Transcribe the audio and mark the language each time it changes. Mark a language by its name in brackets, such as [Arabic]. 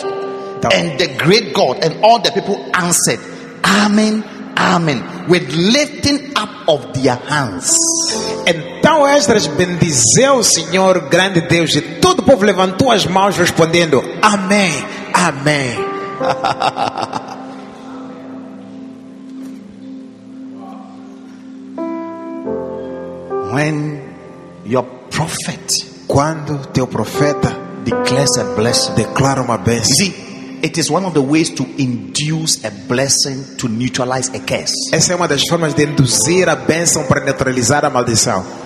[Portuguese] Então, [English] and the great God and all the people answered, amen, amen, with lifting up of their hands. [Portuguese] Então Ezra bendizeu o Senhor grande Deus e todo o povo levantou as mãos respondendo, amém, amém. [English] When your prophet, [Portuguese] quando teu profeta [English] declares a blessing, [Portuguese] declara uma bênção. [English] You see, it is one of the ways to induce a blessing to neutralize a curse. [Portuguese] Essa é uma das formas de induzir a bênção para neutralizar a maldição.